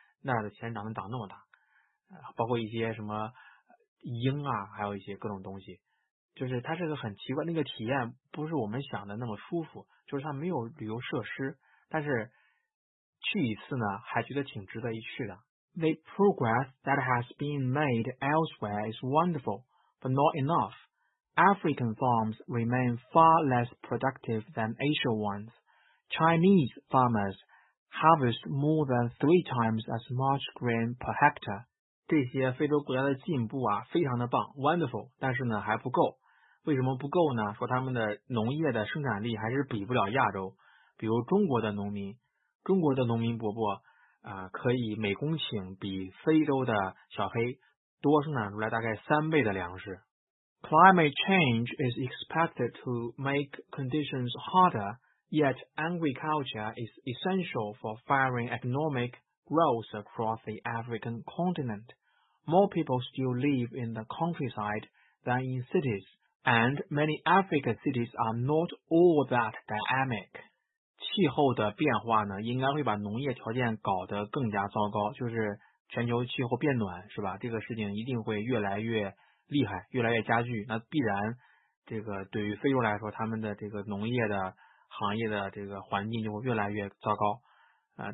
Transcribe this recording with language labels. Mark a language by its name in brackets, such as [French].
[Chinese] 那儿的钱哪能涨那么大？包括一些什么鹰啊，还有一些各种东西，就是它是个很奇怪，那个体验不是我们想的那么舒服，就是它没有旅游设施，但是去一次呢，还觉得挺值得一去的。 [English] The progress that has been made elsewhere is wonderful, but not enough. African farms remain far less productive than Asian ones. Chinese farmers harvest more than 3 times as much grain per hectare. [Chinese] 这些非洲国家的进步啊，非常的棒 ，wonderful， 但是呢还不够。为什么不够呢？说他们的农业的生产力还是比不了亚洲，比如中国的农民，中国的农民伯伯可以每公顷比非洲的小黑多生产出来大概3倍的粮食。 [English] Climate change is expected to make conditions harder, yet agriculture is essential for firing economic growth across the African continent. More people still live in the countryside than in cities, and many African cities are not all that dynamic. [Chinese] 气候的变化呢，应该会把农业条件搞得更加糟糕，就是全球气候变暖，是吧？这个事情一定会越来越厉害，越来越加剧。那必然，这个对于非洲来说，他们的这个农业的行业的这个环境就会越来越糟糕。